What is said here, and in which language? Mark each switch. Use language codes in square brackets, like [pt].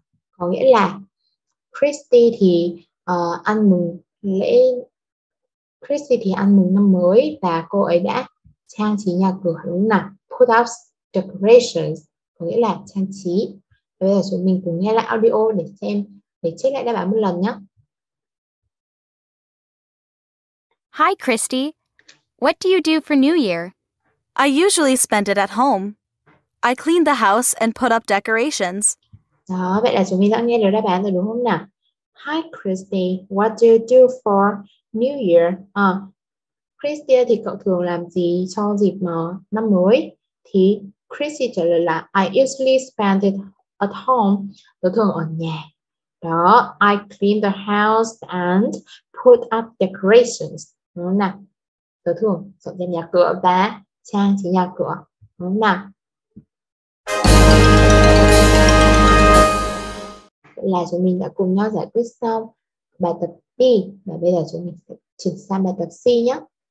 [vi] Có nghĩa là Christy thì ăn mừng lễ, Christy thì ăn mừng năm mới và cô ấy đã trang trí nhà cửa đúng nào, [en] put up decorations [vi] có nghĩa là trang trí. Và bây giờ chúng mình cùng nghe lại audio để xem, để check lại đáp án một lần nhé. [en] Hi Christy, what do you do for New Year? I usually spend it at home. I clean the house and put up decorations. [vi] Đó, vậy là chúng mình đã nghe được đáp án rồi đúng không nào? Hi Christy, what do you do for New Year? Christy thì cậu thường làm gì cho dịp năm mới? Thì Christy trả lời là [en] I usually spend it at home. [vi] Tôi thường ở nhà. Đó, [en] I clean the house and put up decorations. [vi] Đúng không nào? Tôi thường dọn dẹp nhà cửa và trang trí nhà cửa. Đúng không nào? Là chúng mình đã cùng nhau giải quyết xong bài tập B và bây giờ chúng mình sẽ chuyển sang bài tập C nhé.